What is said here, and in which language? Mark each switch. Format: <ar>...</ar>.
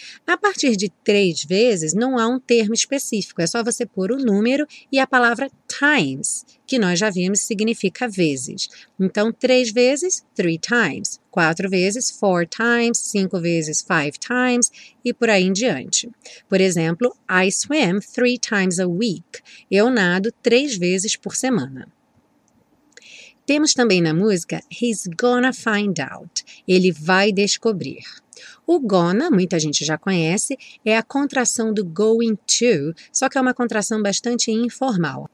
<pt>A partir de três vezes, não há um termo específico, é só você pôr o número e a palavra times, que nós já vimos significa vezes. Então, três vezes,</pt> <en>three times,</en> <pt>quatro vezes,</pt> <en>four times,</en> <pt>cinco vezes,</pt> <en>five times</en> <pt>e por aí em diante.</pt> <en>Por exemplo, I swim three times a week.</en> <pt>Eu nado três vezes por semana. Temos também na música,</pt> <en>he's gonna find out.</en> <pt>Ele vai descobrir. O gonna, muita gente já conhece, é a contração do going to, só que é uma contração bastante informal.</pt>